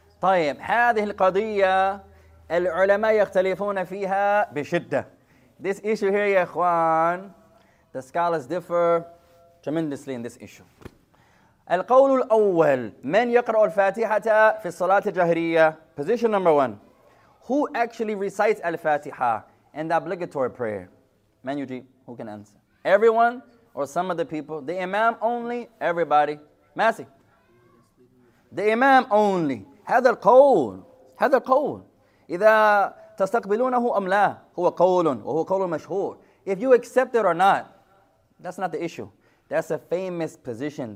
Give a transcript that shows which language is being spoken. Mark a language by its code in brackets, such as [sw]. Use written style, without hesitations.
[ar] طيب هذه القضية العلماء يختلفون فيها بشدة. [en] This issue here, ikhwan, the scholars differ tremendously in this issue. [ar] القول الأول من يقرأ الفاتحة في الصلاة الجهرية. [en] Position number one. Who actually recites al-Fatiha in the obligatory prayer? [ar] Man Yujib, [en] who can answer? Everyone. Or some of the people, the imam only, everybody. Masih. The imam only. [ar] هذا القول. هذا القول. إذا تستقبلونه أم لا هو قول وهو قول مشهور. [en] If you accept it or not, that's not the issue. That's a famous position.